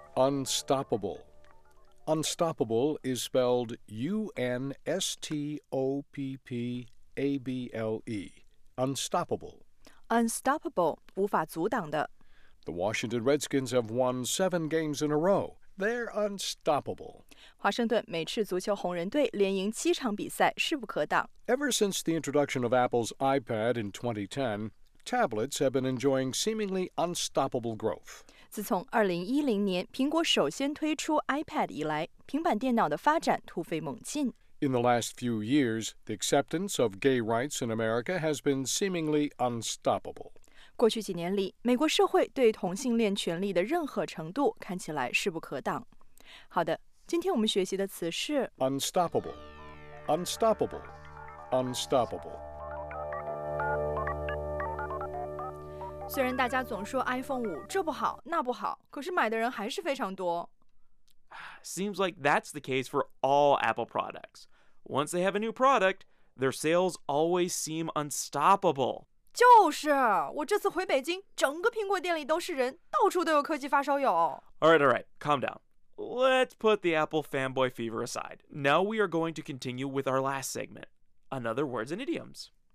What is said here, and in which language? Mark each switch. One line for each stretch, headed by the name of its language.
English: unstoppable. Unstoppable is spelled U-N-S-T-O-P-P-A-B-L-E. Unstoppable.
Chinese: Unstoppable, 无法阻挡的。
English: The Washington Redskins have won 7 games in a row. They're unstoppable.
Chinese: 华盛顿美式足球红人队连赢七场比赛，势不可挡。
English: Ever since the introduction of Apple's iPad in 2010, tablets have been enjoying seemingly unstoppable growth.
Chinese: 自从2010年苹果首先推出 iPad 以来，平板电脑的发展突飞猛进。
English: In the last few years, the acceptance of gay rights in America has been seemingly unstoppable.
Chinese: 过去几年里，美国社会对同性恋权利的任何程度看起来势不可挡。好的，今天我们学习的词是
English: unstoppable, unstoppable, unstoppable.
Chinese: 虽然大家总说 iPhone 5这不好那不好，可是买的人还是非常多。
English: Seems like that's the case for all Apple products. Once they have a new product, their sales always seem unstoppable.
Chinese: 就是，我这次回北京，整个苹果店里都是人，到处都有科技发烧友。
English: All right, calm down. Let's put the Apple fanboy fever aside. Now we are going to continue with our last segment, another words and idioms.